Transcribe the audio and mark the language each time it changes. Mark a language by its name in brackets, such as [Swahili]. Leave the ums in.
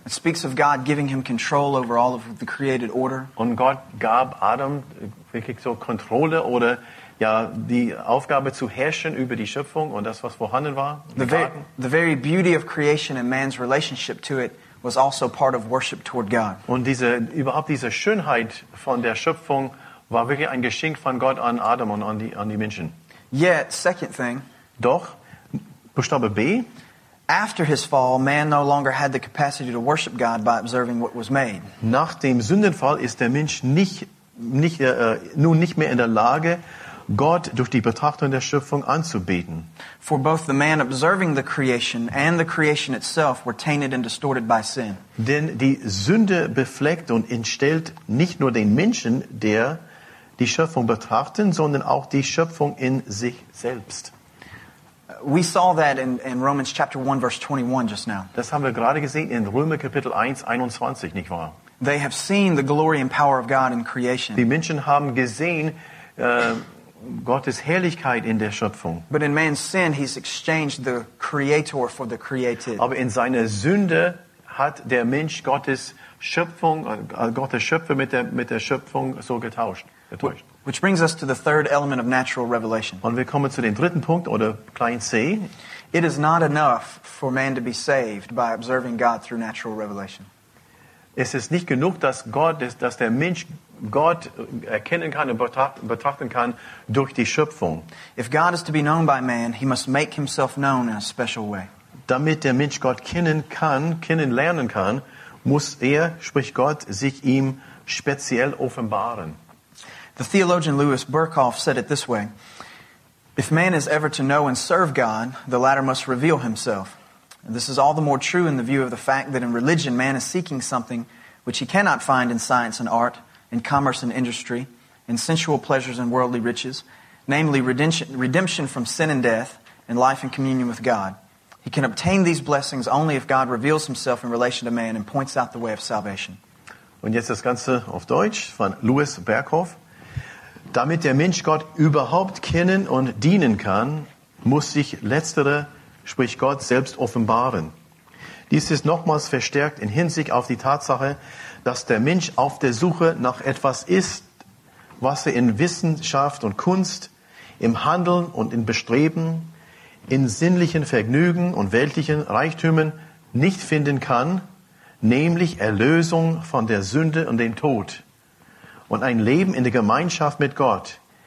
[English] It speaks of God giving him control over all of the created order. [German] Und Gott gab Adam wirklich so Kontrolle oder ja die Aufgabe zu herrschen über die Schöpfung und das was vorhanden war. [English] The very, the, very beauty of creation and man's relationship to it was also part of worship toward God. [German] Und diese überhaupt diese Schönheit von der Schöpfung war wirklich ein Geschenk von Gott an Adam und an die an die Menschen. [English] Yet second thing. [German] Doch Buchstabe B. [English] After his fall, man no longer had the capacity to worship God by observing what was made. [German] Nach dem Sündenfall ist der Mensch nicht nicht äh, nun nicht mehr in der Lage, Gott durch die Betrachtung der Schöpfung anzubeten. [English] For both the man observing the creation and the creation itself were tainted and distorted by sin. [German] Denn die Sünde befleckt und entstellt nicht nur den Menschen, der die Schöpfung betrachtet, sondern auch die Schöpfung in sich selbst [English] we saw that in, in, Romans chapter 1 verse 21 just now. [German] Das haben wir gerade gesehen in Römer Kapitel 1 21, nicht wahr? [English] They have seen the glory and power of God in creation. [German] Die Menschen haben gesehen äh, Gottes Herrlichkeit in der Schöpfung. [English] But in man's sin he's exchanged the creator for the created. [German] Aber in seiner Sünde hat der Mensch Gottes Schöpfung äh, Gottes Schöpfer mit der mit der Schöpfung so getauscht. Ertäuscht. [English] Which brings us to the third element of natural revelation. [German] Und wir kommen zu dem dritten Punkt oder Klein C. [English] It is not enough for man to be saved by observing God through natural revelation. [German] Es ist nicht genug, dass Gott, ist, dass der Mensch Gott erkennen kann und betrachten kann durch die Schöpfung. [English] If God is to be known by man, he must make himself known in a special way. [German] Damit der Mensch Gott kennen kann, kennenlernen kann, muss er, sprich Gott, sich ihm speziell offenbaren. [English] The theologian Louis Burkhoff said it this way If man is ever to know and serve God, the latter must reveal himself. And this is all the more true in the view of the fact that in religion, man is seeking something which he cannot find in science and art, in commerce and industry, in sensual pleasures and worldly riches, namely redemption, redemption from sin and death, and life in communion with God. He can obtain these blessings only if God reveals himself in relation to man and points out the way of salvation. [German] Und jetzt das Ganze auf Deutsch von Louis Berghoff. Damit der Mensch Gott überhaupt kennen und dienen kann, muss sich letztere, sprich Gott, selbst offenbaren. Dies ist nochmals verstärkt in Hinsicht auf die Tatsache, dass der Mensch auf der Suche nach etwas ist, was er in Wissenschaft und Kunst, im Handeln und in Bestreben, in sinnlichen Vergnügen und weltlichen Reichtümern nicht finden kann, nämlich Erlösung von der Sünde und dem Tod und ein Leben in der Gemeinschaft mit Gott.